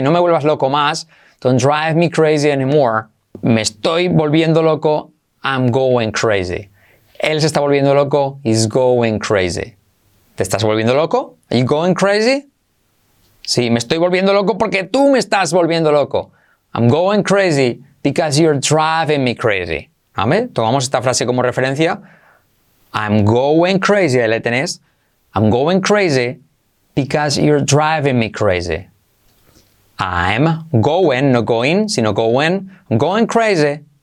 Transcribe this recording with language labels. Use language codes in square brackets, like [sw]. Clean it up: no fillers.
[es] No me vuelvas loco más, [en] don't drive me crazy anymore. [es] Me estoy volviendo loco, [en] I'm going crazy. [es] Él se está volviendo loco, [en] he's going crazy. [es] ¿Te estás volviendo loco? [en] Are you going crazy? [es] Sí, me estoy volviendo loco porque tú me estás volviendo loco. [en] I'm going crazy because you're driving me crazy. [es] ¿Vale? Tomamos esta frase como referencia. [en] I'm going crazy, [es] ahí la tenés. [en] I'm going crazy because you're driving me crazy. I'm going, no going, [es] sino [en] going. I'm going crazy.